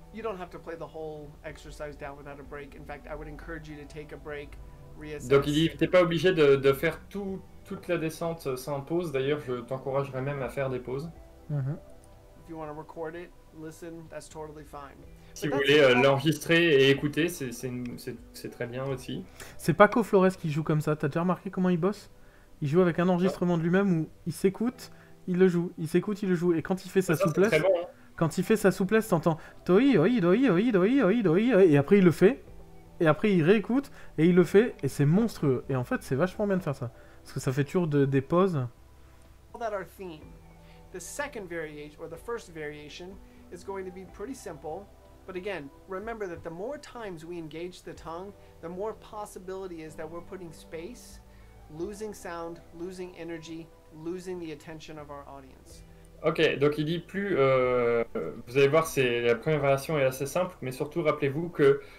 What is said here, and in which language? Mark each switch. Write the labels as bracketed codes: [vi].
[en] You don't have to play the whole exercise down without a break. In fact, I would encourage you to take a break, reassess. [fr] Donc il dit, t'es pas obligé de faire toute la descente sans pause. D'ailleurs, je t'encouragerais même à faire des pauses. Mm-hmm. [en] If you want to record it, listen, that's totally fine. [fr] Si vous voulez l'enregistrer et écouter, c'est très bien aussi. C'est Paco Flores qui joue comme ça. T'as déjà remarqué comment il bosse? Il joue avec un enregistrement de lui-même où il s'écoute, il le joue. Il s'écoute, il le joue. Et quand il fait sa souplesse, c'est très bon, hein. Quand il fait sa souplesse, t'entends toi, oi, oi, oi, oi, oi, oi, et après il le fait. Et après il réécoute et il le fait. Et c'est monstrueux. Et en fait, c'est vachement bien de faire ça. Parce que ça fait toujours des pauses. [en] That our theme, the second variation or the first variation is going to be pretty simple. But again, remember that the more times we engage the tongue, the more possibility is that we're putting space. Losing sound, losing energy, losing the attention of our audience. [fr] Ok, donc il dit plus, vous allez voir, c'est la première variation est assez simple, mais surtout rappelez-vous que